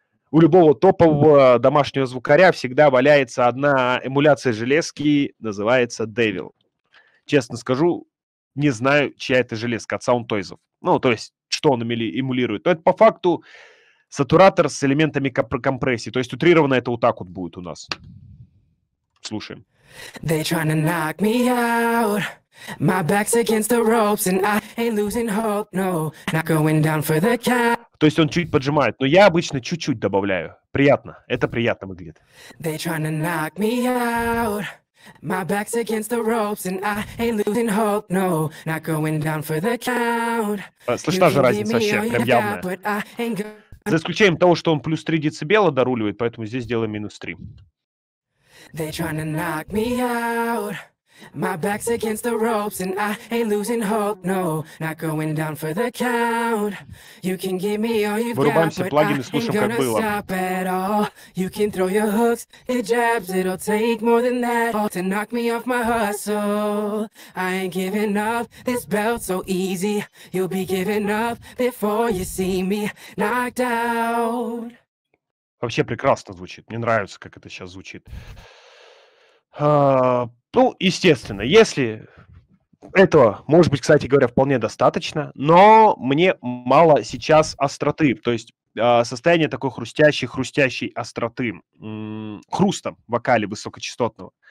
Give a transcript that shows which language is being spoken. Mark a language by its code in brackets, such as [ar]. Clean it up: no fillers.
[ru] У любого топового домашнего звукаря всегда валяется одна эмуляция железки, называется Devil. Честно скажу, не знаю, чья это железка, от Soundtoys. Ну, то есть, что он эмулирует. Но это по факту сатуратор с элементами компрессии. То есть, утрированно это вот так вот будет у нас. Слушаем. [en] They trying to knock me out. My back's against the ropes, and I ain't losing hope. No, not going down for the count. [ru] То есть он чуть поджимает, но я обычно чуть-чуть добавляю. Приятно, это приятно выглядит. [en] They trying to knock me out. My back's against the ropes, and I ain't losing hope. No, not going down for the count. [ru] Слышна же разница вообще, прям явная. За исключением того, что он плюс 3 децибела доруливает, поэтому здесь делаем минус 3. [en] They trying to knock me out. My back's against the ropes and I ain't losing hope. No, not going down for the count. You can give me all you've got, but I ain't gonna stop at all. You can throw your hooks, your jabs, it'll take more than that all to knock me off my hustle. I ain't giving up this belt so easy. You'll be giving up before you see me knocked out. [ru] Вообще прекрасно звучит. Мне нравится, как это сейчас звучит. Ну, естественно, если этого, может быть, кстати говоря, вполне достаточно, но мне мало сейчас остроты, то есть состояние такой хрустящей остроты, хруста в вокале высокочастотного.